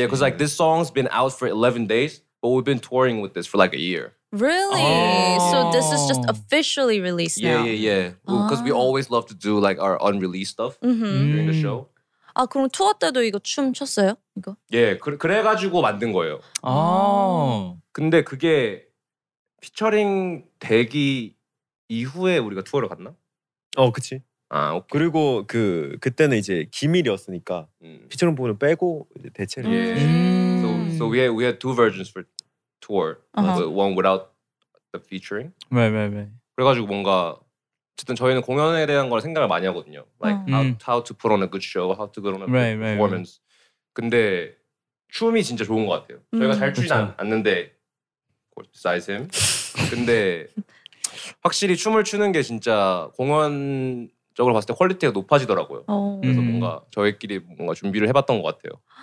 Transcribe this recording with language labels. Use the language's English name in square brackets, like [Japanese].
[English] Yeah, because like this song's been out for 11 days, but we've been touring with this for like a year. Really? So this is just officially released yeah, now? Yeah, yeah, yeah. Because we always love to do like our unreleased stuff during the show. [Korean] 아 그럼 투어 때도 이거 춤 췄어요? 이거? 예, 그래가지고 만든 거예요. 아. 근데 그게 피처링 되기 이후에 우리가 투어를 갔나? 어, 그치. 아, 오케이. 그리고 그때는 이제 기밀이었으니까 피처링 부분을 빼고 이제 대체를. [English] Yeah. So we had two versions for tour. Uh-huh. One without the featuring. Right, right, right. [Korean] 그래가지고 뭔가 어쨌든 저희는 공연에 대한 걸 생각을 많이 하거든요. [English] Like how to put on a good show, how to put on a good performance. Right, right, right. [Korean] 근데 춤이 진짜 좋은 것 같아요. 저희가 잘 추진 않는데 [English] besides him. [Korean] 근데 확실히 춤을 추는 게 진짜 공연적으로 봤을 때 퀄리티가 높아지더라고요. 그래서 뭔가 저희끼리 뭔가 준비를 해봤던 것 같아요.